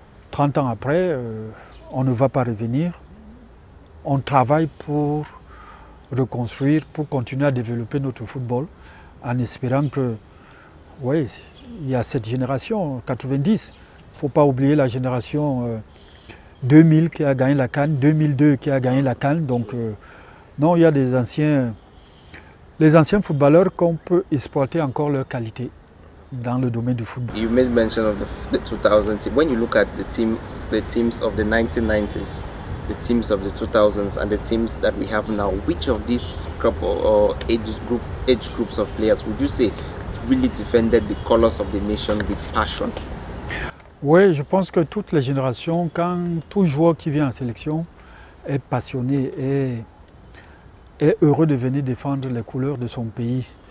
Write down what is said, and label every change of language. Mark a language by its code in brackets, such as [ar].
[fr] 30 ans après, on ne va pas revenir. On travaille pour reconstruire, pour continuer à développer notre football, en espérant que, oui, il y a cette génération, 90, il ne faut pas oublier la génération 2000 qui a gagné la CAN, 2002 qui a gagné la CAN. Donc, non, il y a des anciens. Les anciens footballeurs qu'on peut exploiter encore leur qualité dans le domaine du football. [en] You made mention of the 2000 team. When you look at the teams of the 1990s, the teams of the 2000s, and the teams that we have now, which of these age groups of players would you say really defended the colors of the nation with passion? [fr] Oui, je pense que toutes les générations, quand tout joueur qui vient en sélection est passionné et est heureux de venir défendre les couleurs de son pays.